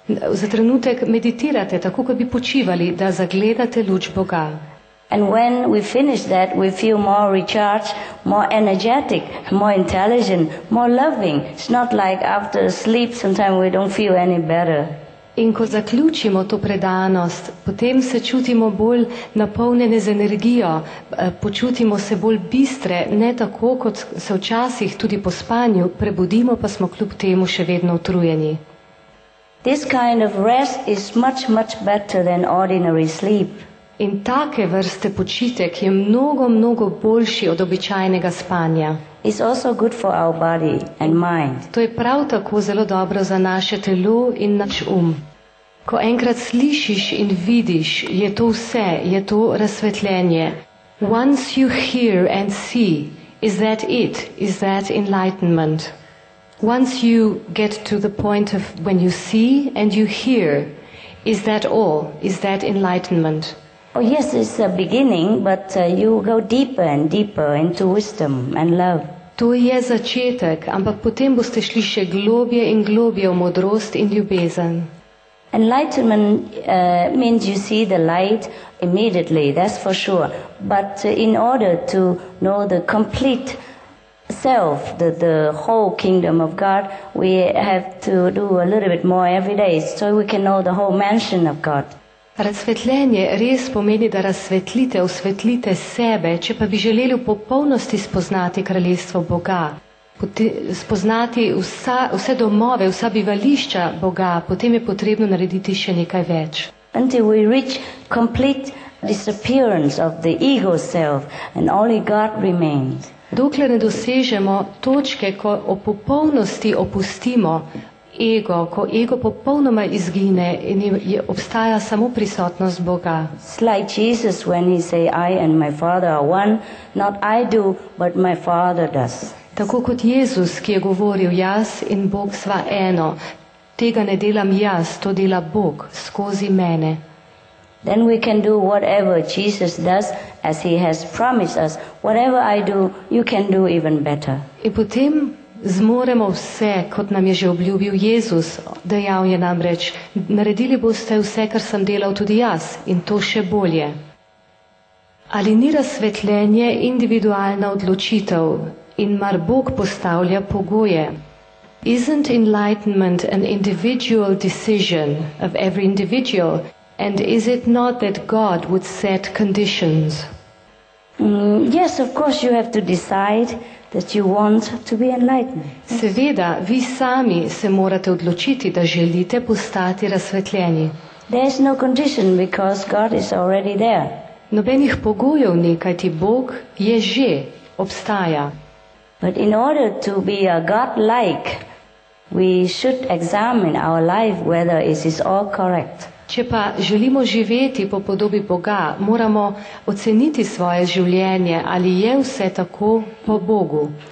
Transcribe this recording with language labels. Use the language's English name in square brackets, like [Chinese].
[Slovenian] Za trenutek meditirate, tako kot bi počivali, da zagledate luč Boga. [English] And when we finish that, we feel more recharged, more energetic, more intelligent, more loving. It's not like after sleep, sometimes we don't feel any better. [Slovenian] In ko zaključimo to predanost, potem se čutimo bolj napolnjene z energijo, počutimo se bolj bistre, ne tako, kot se včasih tudi po spanju, prebudimo pa smo kljub temu še vedno utrujeni. [English] This kind of rest is much, much better than ordinary sleep. [Slovenian] In take vrste počitek je mnogo, mnogo boljši od običajnega spanja. [English] It's also good for our body and mind. [Slovenian] To je prav tako zelo dobro za naše telo in naš um. Ko enkrat slišiš in vidiš, je to vse, je to razsvetljenje. [English] Once you hear and see, is that it? Is that enlightenment? Once you get to the point of when you see and you hear, is that all? Is that enlightenment? Oh yes, it's a beginning, but you go deeper and deeper into wisdom and love. [Slovenian] To je začetek, ampak potem boste šli še globje in globje v modrost in ljubezen. [English] Enlightenment means you see the light immediately, that's for sure. But in order to know the complete self, the whole kingdom of God, we have to do a little bit more every day, so we can know the whole mansion of God. [Slovenian] Razsvetljenje res pomeni, da razsvetlite, osvetlite sebe, če pa bi želeli v popolnosti spoznati kraljestvo Boga, spoznati vse domove, vsa bivališča Boga, potem je potrebno narediti še nekaj več. [English] Until we reach complete disappearance of the ego self and only God remains. [Slovenian] Dokler ne dosežemo točke, ko v popolnosti opustimo ego, ko ego popolnoma izgine in je, obstaja samo prisotnost Boga. [English] It's like Jesus when he say I and my father are one, not I do, but my father does. [Slovenian] Tako kot Jezus, ki je govoril, jaz in Bog sva eno, tega ne delam jaz, to dela Bog skozi mene. [English] Then we can do whatever Jesus does, as he has promised us. Whatever I do, you can do even better. [Slovenian] In potem zmoremo vse, kot nam je že obljubil Jezus, dejal je nam reč, naredili boste vse, kar sem delal tudi jaz, in to še bolje. Ali ni razsvetljenje individualna odločitev in mar Bog postavlja pogoje? [English] Isn't enlightenment an individual decision of every individual? And is it not that God would set conditions? Yes, of course you have to decide that you want to be enlightened. [Slovenian] Seveda, vi sami se morate odločiti, da želite postati razsvetljeni. [English] There is no condition because God is already there. [Slovenian] Nobenih pogojev ni, kajti Bog je že, obstaja. [English] But in order to be a God-like, we should examine our life whether it is all correct. [Slovenian] Če pa želimo živeti po podobi Boga, moramo oceniti svoje življenje, ali je vse tako po Bogu.